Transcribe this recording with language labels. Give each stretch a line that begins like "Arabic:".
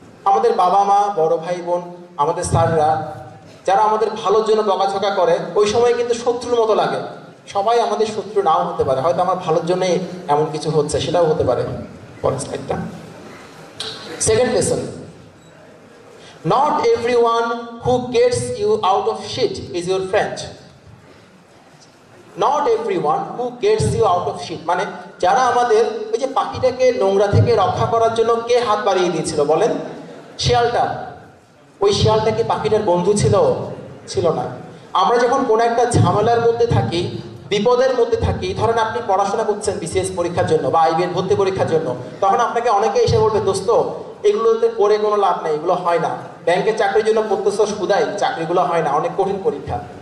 Bangla: আমাদের বাবা মা, বড় ভাই বোন, আমাদের স্যাররা, যারা আমাদের ভালোর জন্য বকাঝকা করে ওই সময় কিন্তু শত্রুর মতো লাগে, সবাই আমাদের শত্রু নাও হতে পারে, হয়তো আমার ভালোর জন্যই এমন কিছু হচ্ছে, সেটাও হতে পারে। পরের স্লাইডটা, second lesson,
English: Not everyone who gets you out of shit is your friend. Not everyone who gets you out of shit.
Bangla: মানে যারা আমাদের ওই যে পাখিটাকে নোংরা থেকে রক্ষা করার জন্য কে হাত বাড়িয়ে দিয়েছিল বলেন? শিয়ালটা। ওই শিয়ালটা কি পাখিটার বন্ধু ছিল? ছিল না। আমরা যখন কোনো একটা ঝামেলার মধ্যে থাকি, বিপদের মধ্যে থাকি, ধরেন আপনি পড়াশোনা করছেন বিসিএস পরীক্ষার জন্য বা আইবিএন ভর্তি পরীক্ষার জন্য, তখন আপনাকে অনেকে এসে বলবে, দোস্ত এগুলোতে পড়ে কোনো লাভ নেই, এগুলো হয় না, ব্যাংকের চাকরির জন্য প্রত্যেকটা সুদায় চাকরিগুলো হয় না, অনেক কঠিন পরীক্ষা।